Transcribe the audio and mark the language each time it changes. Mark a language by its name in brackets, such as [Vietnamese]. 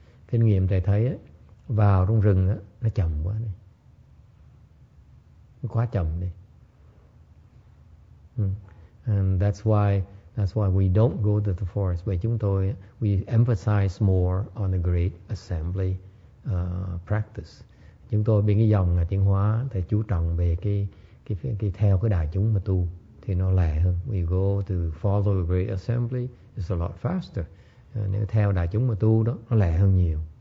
[Vietnamese] Kinh nghiệm thầy thấy á, vào trong rừng á, nó chậm quá đi, nó quá chậm đi. [English] That's why we don't go to the forest. But [Vietnamese] chúng tôi, [English] we emphasize more on the great assembly practice. [Vietnamese] Chúng tôi bên cái dòng là chuyển hóa thì chú trọng về cái theo cái đại chúng mà tu thì nó lẹ hơn. [English] We go to follow the great assembly, it's a lot faster. [Vietnamese] Nếu theo đại chúng mà tu đó, nó lẹ hơn nhiều.